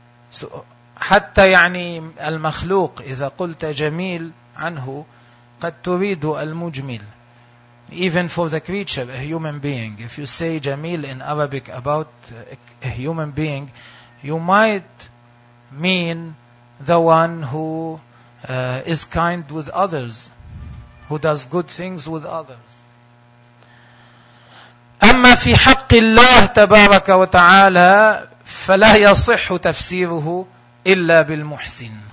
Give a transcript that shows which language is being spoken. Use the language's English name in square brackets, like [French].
[Arabic] So, حتى يعني المخلوق إذا قلت جميل عنه قد تريد المجمل. [English] Even for the creature, a human being, if you say جميل in Arabic about a human being, you might mean the one who is kind with others, who does good things with others. [Arabic] أما في حق الله تبارك وتعالى فلا يصح تفسيره إلا بالمحسن.